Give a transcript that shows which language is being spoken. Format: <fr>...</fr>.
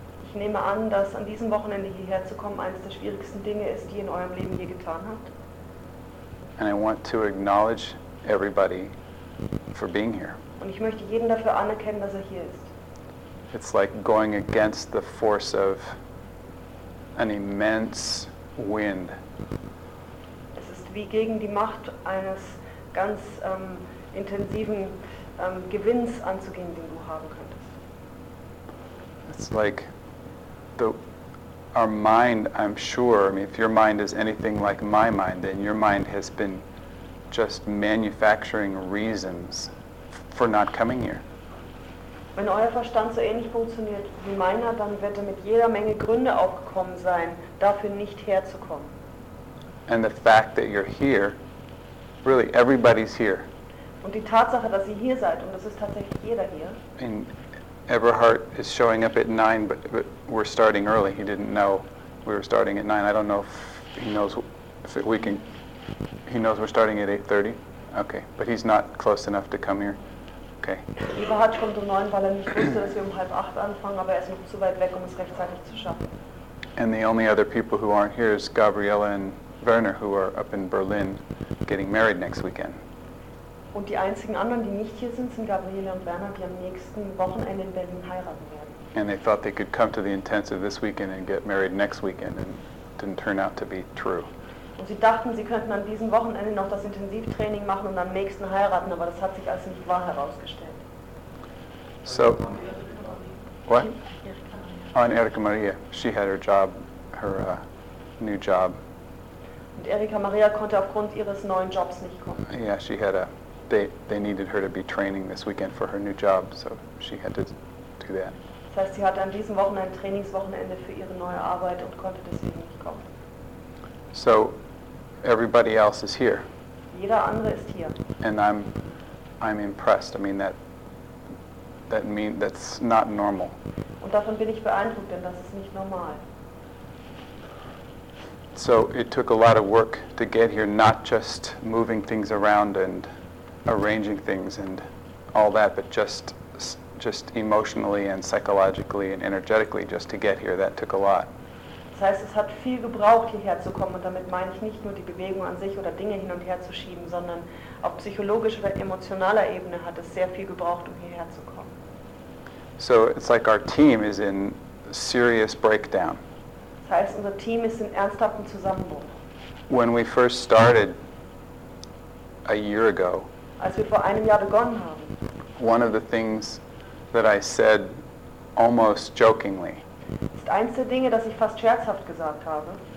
<de>Ich nehme an, dass an diesem Wochenende hierher zu kommen eines der schwierigsten Dinge ist, die ihr in eurem Leben je getan habt.</de> <en>And I want to acknowledge everybody for being here.</en> <de>Und ich möchte jeden dafür anerkennen, dass er hier ist.</de> <en>It's like going against the force of an immense wind.</en> <de>Wie gegen die Macht eines ganz intensiven Gewinns anzugehen, den du haben könntest.</de> <en>It's like the our mind, I'm sure, I mean, if your mind is anything like my mind, then your mind has been just manufacturing reasons for not coming here.</en> <de>Wenn euer Verstand so ähnlich funktioniert wie meiner, dann wird er mit jeder Menge Gründe aufgekommen sein, dafür nicht herzukommen.</de> <en>And the fact that you're here, really everybody's here.</en> <de>Und die Tatsache, dass ihr hier seid, und das ist tatsächlich jeder hier.</de> <en>And Eberhard is showing up at 9, but we're starting early. He didn't know we were starting at 9. I don't know if he knows if we can. He knows we're starting at 8:30. Okay, but he's not close enough to come here. Okay.</en> <de>Eberhard kommt um 9, weil er nicht wusste, dass wir um 7:30 anfangen, aber er ist noch zu weit weg, um es rechtzeitig zu schaffen.</de> <en>And the only other people who aren't here is Gabriella and Werner, who are up in Berlin getting married next weekend.</en> <de>Und die einzigen anderen, die nicht hier sind, sind Gabriele und Werner, die am nächsten Wochenende in Berlin heiraten werden.</de> <en>And they thought they could come to the intensive this weekend and get married next weekend, and it didn't turn out to be true.</en> <de>Und sie dachten, sie könnten an diesem Wochenende noch das Intensivtraining machen und am nächsten heiraten, aber das hat sich als nicht wahr herausgestellt.</de> <en>So, what? On Erika Maria. She had her job, her new job.</en> <de>Und Erika Maria konnte aufgrund ihres neuen Jobs nicht kommen.</de> <en>Yeah, she had a they needed her to be training this weekend for her new job, so she had to do that.</en> <de>Das heißt, sie hatte an diesem Wochenende ein Trainingswochenende für ihre neue Arbeit und konnte deswegen nicht kommen.</de> <en>So everybody else is here.</en> <de>Jeder andere ist hier.</de> <en>And I'm impressed. I mean that's not normal.</en> <de>Und davon bin ich beeindruckt, denn das ist nicht normal.</de> <en>So it took a lot of work to get here, not just moving things around and arranging things and all that, but just emotionally and psychologically and energetically just to get here. That took a lot.</en> <de>Das heißt, es hat viel gebraucht, hierher zu kommen, und damit meine ich nicht nur die Bewegung an sich oder Dinge hin und her zu schieben, sondern auf psychologischer oder emotionaler Ebene hat es sehr viel gebraucht, um hierher zu kommen.</de> <en>So it's like our team is in serious breakdown.</en> <de>Das heißt, unser Team ist in ernsthaftem Zusammenbruch.</de> <en>When we first started a year ago,</en> <de>als wir vor einem Jahr begonnen haben,</de> <en>one of the things that I said almost jokingly</en> <de>ist eins der Dinge, das ich fast scherzhaft gesagt habe,</de>